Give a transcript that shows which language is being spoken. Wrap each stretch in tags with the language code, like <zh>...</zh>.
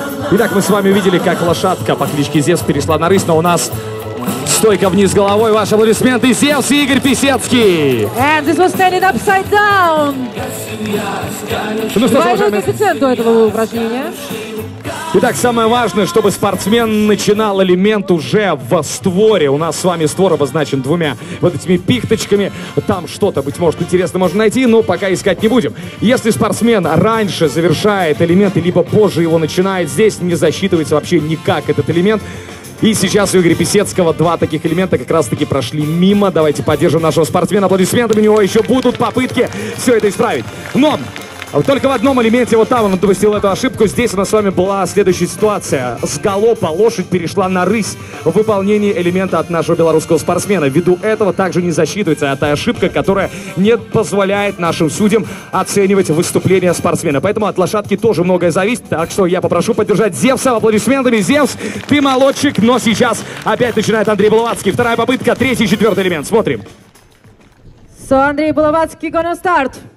<ru>Итак, мы с вами видели, как лошадка по кличке Зевс перешла на рысь, но у нас стойка вниз головой. Ваши аплодисменты, Зевс и Игорь Писецкий.</ru> <en>And this was standing upside down.</en> <ru>Ну что ж, уважаемые. Коэффициент у этого упражнения. Итак, самое важное, чтобы спортсмен начинал элемент уже в створе. У нас с вами створ обозначен двумя вот этими пихточками. Там что-то, быть может, интересно можно найти, но пока искать не будем. Если спортсмен раньше завершает элемент, либо позже его начинает, здесь не засчитывается вообще никак этот элемент. И сейчас у Игоря Писецкого два таких элемента как раз-таки прошли мимо. Давайте поддержим нашего спортсмена. Аплодисменты, у него еще будут попытки все это исправить. Но только в одном элементе, вот там он допустил эту ошибку. Здесь у нас с вами была следующая ситуация. С галопа лошадь перешла на рысь в выполнении элемента от нашего белорусского спортсмена. Ввиду этого также не засчитывается эта ошибка, которая не позволяет нашим судьям оценивать выступление спортсмена. Поэтому от лошадки тоже многое зависит. Так что я попрошу поддержать Зевса аплодисментами. Зевс, ты молодчик, но сейчас опять начинает Андрей Булавацкий. Вторая попытка, третий, четвертый элемент. Смотрим.</ru> <en>So, Андрей Булавацкий gonna start.</en>